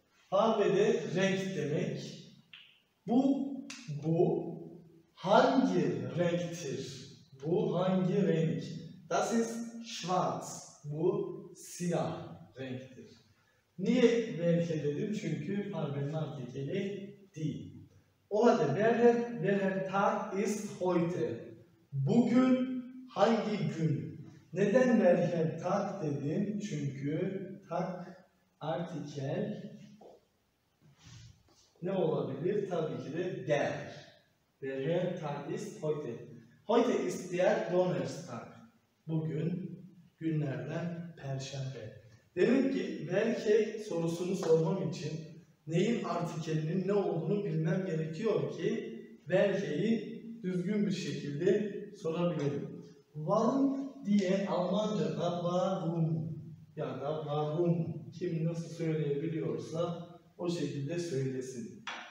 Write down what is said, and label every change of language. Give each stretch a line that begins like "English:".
Turkish: Farbe de renk demek. Bu hangi renktir? Bu hangi renk?
German: Das ist schwarz.
Turkish: Bu siyah renktir. Niye welche dedim? Çünkü farbenin artikeli değil. O halde
German: welcher Tag ist heute?
Turkish: Bugün hangi gün? Neden welcher Tag dedim? Çünkü Tag artikel ne olabilir? Tabii ki de der.
German: Welcher Tag ist heute? Heute ist der Donnerstag.
Turkish: Bugün günlerden Perşembe. Demek ki welche sorusunu sormam için neyin artikelinin ne olduğunu bilmem gerekiyor ki welche'yi düzgün bir şekilde sorabilirim. Warum diye Almanca'da warum, ya da warum, kim nasıl söyleyebiliyorsa o şekilde söylesin.